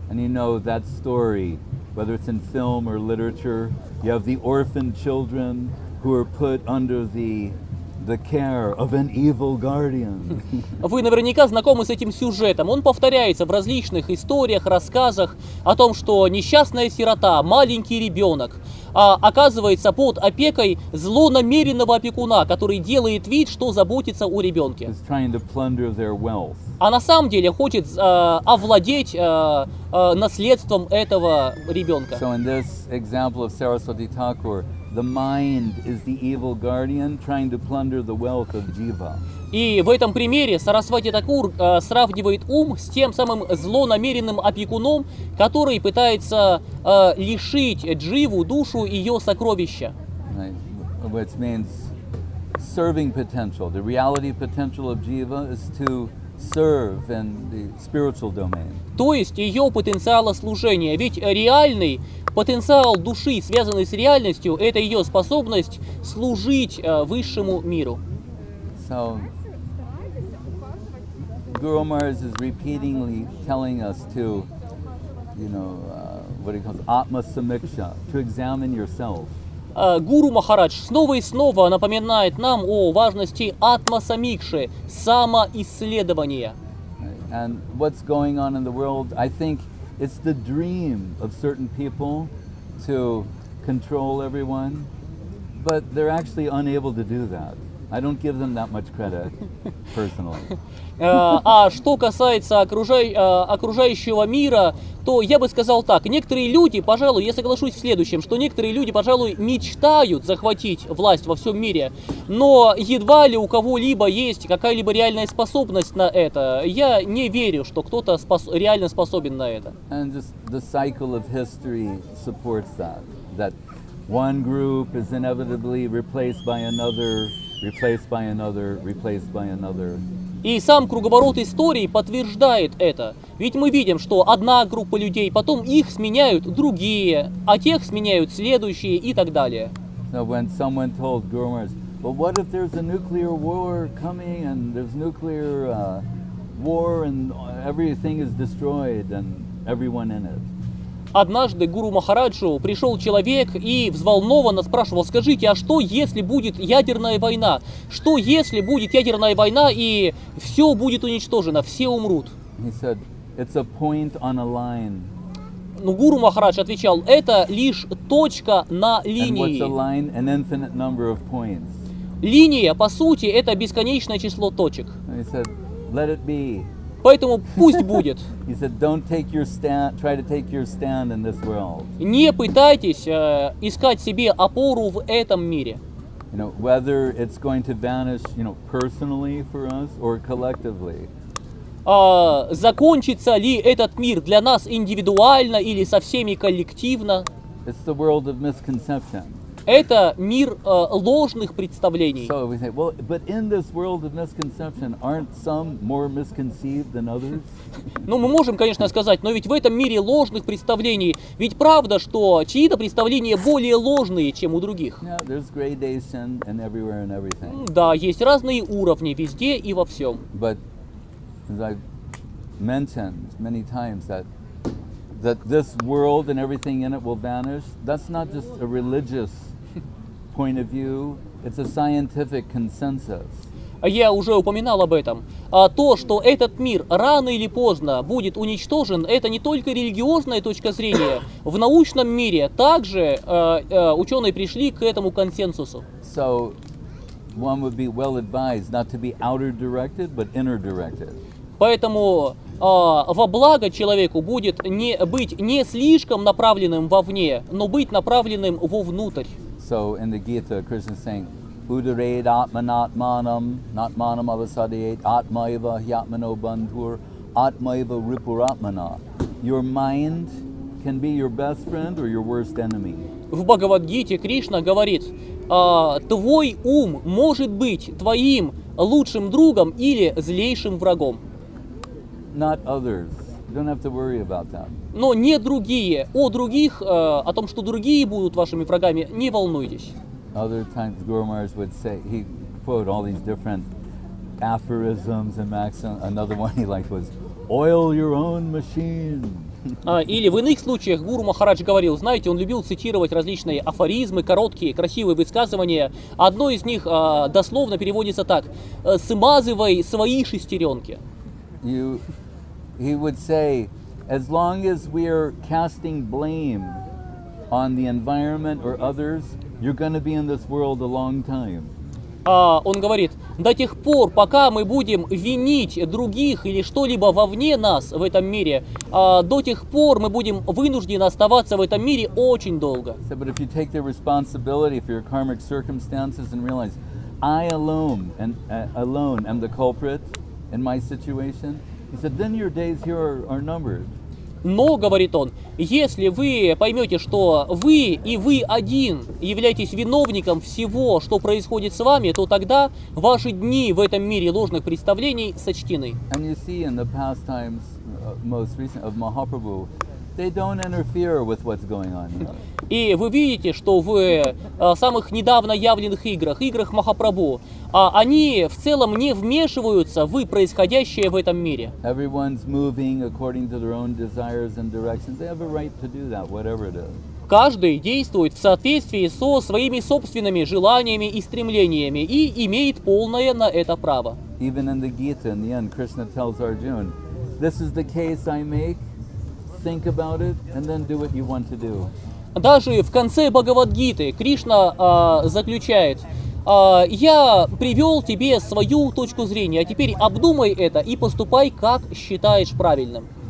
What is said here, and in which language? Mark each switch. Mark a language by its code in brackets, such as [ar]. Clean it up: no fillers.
[en] And you know that story, whether it's in film or literature, you have the orphan children who are put under the the care of an evil guardian. [ru] Вы наверняка знакомы с этим сюжетом. Он повторяется в различных историях, рассказах о том, что несчастная сирота, маленький ребенок, оказывается под опекой злонамеренного опекуна, который делает вид, что заботится о ребенке. [en] He's trying to plunder their wealth. [ru] А на самом деле хочет овладеть наследством этого ребенка. [en] So in this example of Saraswati Thakur, the mind is the evil guardian trying to plunder the wealth of Jiva. [ru] И в этом примере Сарасвати Такур сравнивает ум с тем самым злонамеренным опекуном, который пытается лишить Дживу, душу, ее сокровища. [en] Right. Which means serving potential. The reality potential of Jiva is to serve in the spiritual domain. [ru] То есть ее потенциала служения. Ведь реальный потенциал души, связанный с реальностью, это ее способность служить высшему миру. [en] So, Guru Maharaj is repeatedly telling us to, you know, what he calls atma samiksha, to examine yourself. [ru] Гуру Махарадж снова и снова напоминает нам о важности атма самикши, самоисследования. [en] And what's going on in the world, I think it's the dream of certain people to control everyone, but they're actually unable to do that. I don't give them that much credit, personally. [ru] А что касается окружающего мира, то я бы сказал так. Некоторые люди, пожалуй, я соглашусь в следующем, что некоторые люди, пожалуй, мечтают захватить власть во всем мире, но едва ли у кого-либо есть какая-либо реальная способность на это. Я не верю, что кто-то реально способен на это. [en] And just the cycle of history supports that. That one group is inevitably replaced by another, replaced by another, replaced by another. [ru] И сам круговорот истории подтверждает это. Ведь мы видим, что одна группа людей, потом их сменяют другие, а тех сменяют следующие и так далее. [en] So when someone told Guru Maharaj, but what if there's a nuclear war coming and there's nuclear war and everything is destroyed and everyone in it? [ru] Однажды Гуру Махараджу пришел человек и взволнованно спрашивал: «Скажите, а что если будет ядерная война? Что если будет ядерная война и все будет уничтожено, все умрут?» [en] said, It's a point on a line. [ru] Но Гуру Махарадж отвечал: «Это лишь точка на линии». [en] And what's a line? An infinite number of points. [ru] Линия, по сути, это бесконечное число точек. [en] He said, Let it be. [ru] Поэтому пусть будет. [en] He said, don't take your stand, try to take your stand in this world. [ru] Не пытайтесь искать себе опору в этом мире. [en] You know, whether it's going to vanish, you know, personally for us or collectively. [ru] Закончится ли этот мир для нас индивидуально или со всеми коллективно? [en] It's the world of misconception. [ru] Это мир ложных представлений. [en] So we say, well, but in this world of misconception, aren't some more misconceived than others? [ru] Ну, мы можем, конечно, сказать, но ведь в этом мире ложных представлений, ведь правда, что чьи-то представления более ложные, чем у других. [en] Yeah, there's gradation in everywhere and everything. [ru] Да, есть разные уровни везде и во всем. [en] But as I've mentioned many times that that this world and everything in it will vanish, that's not just a religious point of view, it's a scientific consensus. [ru] Я уже упоминал об этом. То, что этот мир рано или поздно будет уничтожен, это не только религиозная точка зрения. В научном мире также ученые пришли к этому консенсусу. [en] So, one would be well advised not to be outer directed, but inner directed. [ru] Поэтому во благо человеку будет не быть не слишком направленным вовне, но быть направленным вовнутрь. [en] So in the Gita, Krishna is saying, [sa] Udared Atmanatmanam, Natmanam Avasadayet, Atmaiva Hyatmano Bandhur, Atmaiva Ripuratmana. [en] Your mind can be your best friend or your worst enemy. [ru] В Бхагавад-гите Кришна говорит, твой ум может быть твоим лучшим другом или злейшим врагом. [en] Not others. You don't have to worry about that. [ru] Но не другие. О других, о том, что другие будут вашими врагами, не волнуйтесь. [en] Other times Guru Maharaj would say, he quote all these different aphorisms and maxims. Another one he liked was, oil your own machine. [ru] Или в иных случаях Гуру Махарадж говорил, знаете, он любил цитировать различные афоризмы, короткие, красивые высказывания. Одно из них дословно переводится так: «Смазывай свои шестеренки». [en] He would say, as long as we are casting blame on the environment or others, you're going to be in this world a long time. [ru] Он говорит, до тех пор, пока мы будем винить других или что-либо вовне нас в этом мире, до тех пор мы будем вынуждены оставаться в этом мире очень долго. [en] So, but if you take the responsibility for your karmic circumstances and realize, I alone and alone am the culprit in my situation, he said, then your days here are numbered. [ru] Но, говорит он, если вы поймете, что вы и вы один являетесь виновником всего, что происходит с вами, то тогда ваши дни в этом мире ложных представлений сочтены. [en] And you see in the past times, most recent of Mahaprabhu, they don't interfere with what's going on here. [ru] И вы видите, что в самых недавно явленных играх, играх Махапрабху, они в целом не вмешиваются в происходящее в этом мире. [en] Everyone's moving according to their own desires and directions. They have a right to do that, whatever it is. [ru] Каждый действует в соответствии со своими собственными желаниями и стремлениями и имеет полное на это право. [en] Even in the Gita, in the end, Krishna tells Arjuna, this is the case I make. Think about it and then do what you want to do. [ru] Даже в конце Бхагавад-гиты Кришна заключает: я привел тебе свою точку зрения, а теперь обдумай это и поступай, как считаешь правильным.